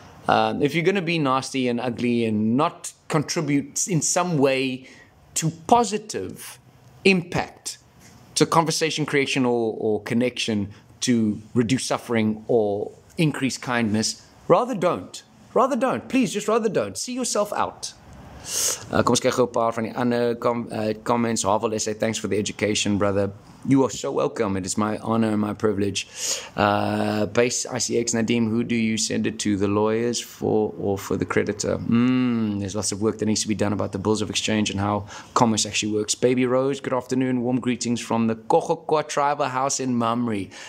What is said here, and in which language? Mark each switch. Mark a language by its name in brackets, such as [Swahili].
[English] If you're going to be nasty and ugly and not contribute in some way to positive impact, to conversation creation or connection, to reduce suffering or increase kindness, rather don't. Rather don't. Please, just rather don't. See yourself out. [Afrikaans] Kom ons kyk gou 'n paar van die ander comments. [English] Havel is say, thanks for the education, brother. You are so welcome. It is my honor and my privilege. Base ICX, Nadim, who do you send it to? The lawyers for or for the creditor? There's lots of work that needs to be done about the bills of exchange and how commerce actually works. Baby Rose, good afternoon. Warm greetings from the Kokokwa tribal house in Mamre.